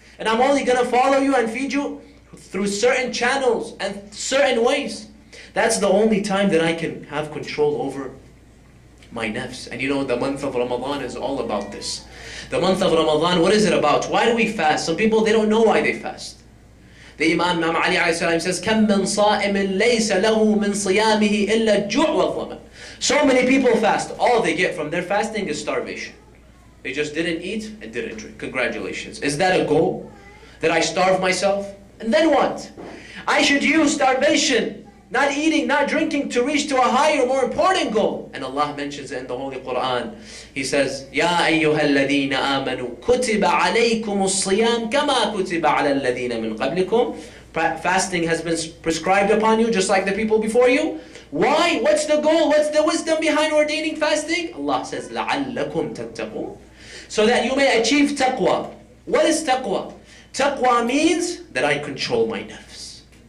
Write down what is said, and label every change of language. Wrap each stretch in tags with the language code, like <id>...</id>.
<en>And I'm only going to follow you and feed you through certain channels and certain ways. That's the only time that I can have control over my nafs. And you know, the month of Ramadan is all about this. The month of Ramadan, what is it about? Why do we fast? Some people, they don't know why they fast. The Imam Ali says,</en> <ar>كَمْ مِنْ صَائِمٍ لَيْسَ لَهُ مِنْ صِيَامِهِ إِلَّا الْجُعْ وَالظَّمَنِ.</ar> <en>So many people fast. All they get from their fasting is starvation. They just didn't eat and didn't drink. Congratulations. Is that a goal? That I starve myself? And then what? I should use starvation, not eating, not drinking, to reach to a higher, more important goal. And Allah mentions it in the Holy Quran. He says,</en> <ar>يَا أَيُّهَا الَّذِينَ آمَنُوا كُتِبَ عَلَيْكُمُ الصِّيَامُ كَمَا كُتِبَ عَلَى الَّذِينَ مِنْ قَبْلِكُمْ.</ar> <en>Fasting has been prescribed upon you, just like the people before you. Why? What's the goal? What's the wisdom behind ordaining fasting? Allah says,</en> <ar>لَعَلَّكُمْ تَتَّقُونَ.</ar> <en>So that you may achieve taqwa. What is taqwa? Taqwa means that I control my nafs.</en>